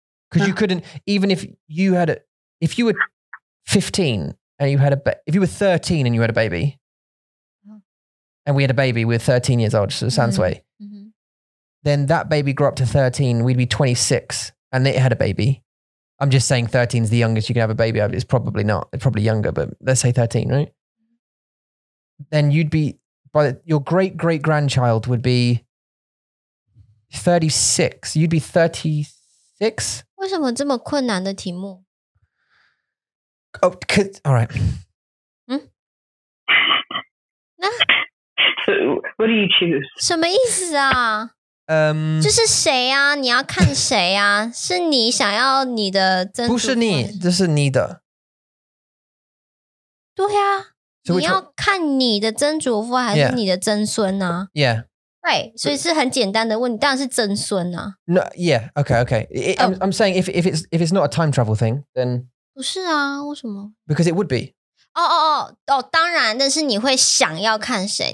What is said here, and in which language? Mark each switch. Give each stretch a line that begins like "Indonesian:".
English: Because you couldn't, even if you had a, if you were 15 and you had a, if you were 13 and you had a baby, and we had a baby, we were 13 years old, so Sansui, then that baby grew up to 13, we'd be 26 and they had a baby. I'm just saying 13 is the youngest you can have a baby. It's probably not. It's probably younger, but let's say 13, right? Then you'd be, but your great great grandchild would be 36. You'd be 36?
Chinese: 为什么这么困难的题目?
English: Oh, cause, all right. So, what do you choose?
Chinese: 什么意思啊?就是谁啊? 你要看谁啊?是你想要你的曾祖父? 不是你, 这是你的。对啊。 So 你要看你的曾祖父还是你的曾孙啊?
English: Yeah.
Chinese: Right, 所以是很简单的问题, 当然是曾孙啊。
English: No, yeah, okay, okay. I'm saying if it's not a time travel thing, then...
Chinese: 不是啊, 为什么?
English: Because it would be.
Chinese: 哦,当然, 但是你会想要看谁?